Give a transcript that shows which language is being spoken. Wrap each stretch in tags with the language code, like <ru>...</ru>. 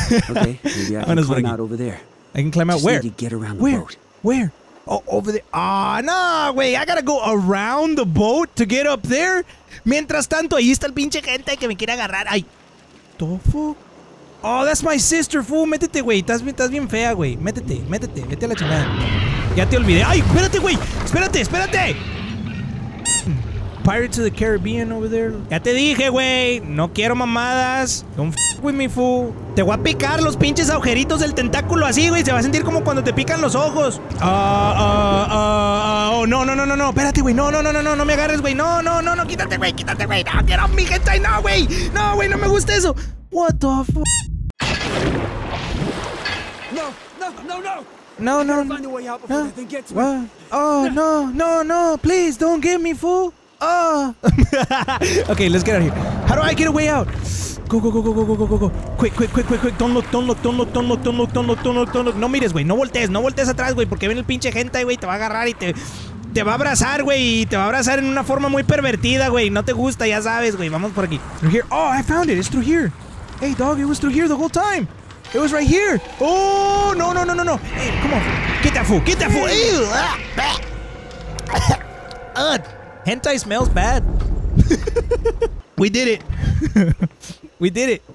<en>Okay, maybe I can climb out over there. I can climb out where? Just need to get around the boat. Where? Oh, over there. Ah, no, güey. I gotta go around the boat to get up there.</en> <es>Mientras tanto, ahí está el pinche gente que me quiere agarrar.</es> <en>Ay. ¿Tofu? Oh, that's my sister, fool.</en> <es>Métete, güey. Estás bien fea, güey. Métete, métete. Vete a la chingada. Ya te olvidé. Ay, espérate, güey. Espérate, espérate.</es> <en>Pirates of the Caribbean over there.</en> <es>Ya te dije, güey. No quiero mamadas.</es> <en>Don't f*** with me, fool.</en> <es>Te voy a picar los pinches agujeritos del tentáculo así, güey. Se va a sentir como cuando te pican los ojos. Oh, no, no, no, no, no. Espérate, güey. No, no, no, no, no. No me agarres, güey. No, no, no, no. Quítate, güey. Quítate, güey.</es> <en>No, get off me, hentai.</en> <es>No, güey. No, güey. No me gusta eso.</es> <en>What the f***? No, no, no, no. No, no, no. Find a way out before no. They get to me. Oh, no, no, no. Please, don't get me, fool. Okay, let's get out of here. How do I get a way out? Go, go, go, go, go, go, go, go, go. Quick, quick, quick, quick, quick. Don't look, don't look, don't look, don't look, don't look, don't look, don't look, don't look.</en> <es>No mires, güey. No voltees, no voltees atrás, güey. Porque viene el pinche gente, güey. Te va a agarrar y te va a abrazar, güey. Y te va a abrazar en una forma muy pervertida, güey. No te gusta, ya sabes, güey. Vamos por aquí.</es> <en>Through here. Oh, I found it. It's through here. Hey, dog, it was through here the whole time. It was right here. Oh, no, no, no, no, no. Hey, come on. Get that fool. Get that fool. Ew. Hentai smells bad. We did it. We did it.</en>